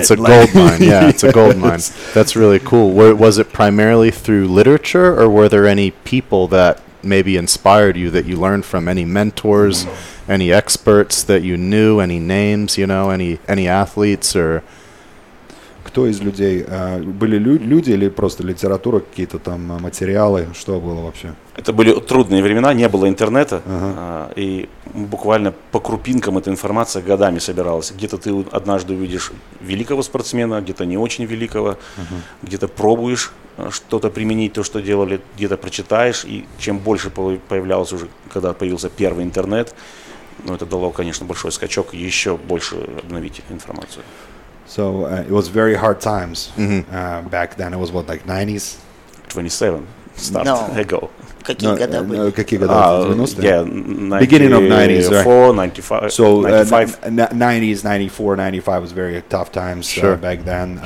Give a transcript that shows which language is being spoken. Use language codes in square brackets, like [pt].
[en] It's a gold mine. Yeah, it's a gold mine. That's really cool. Was it primarily through literature, or were there any people that maybe inspired you that you learned from, any mentors, any experts that you knew, any names, any athletes or... [ru] Кто из людей? Были люди или просто литература, какие-то там материалы? Что было вообще? Это были трудные времена, не было интернета. И буквально по крупинкам эта информация годами собиралась. Где-то ты однажды увидишь великого спортсмена, где-то не очень великого. Где-то пробуешь что-то применить, то, что делали, где-то прочитаешь. И чем больше появлялось уже, когда появился первый интернет, это дало, конечно, большой скачок, еще больше обновить информацию. [en] So it was very hard times back then. It was what, like 90s? 27. Start. No. Ago. [ru] Какие года были? Какие года были? [en] Yeah. Beginning of 90s, right? 94, 95. So 95. 90s, 94, 95 was very tough times back then.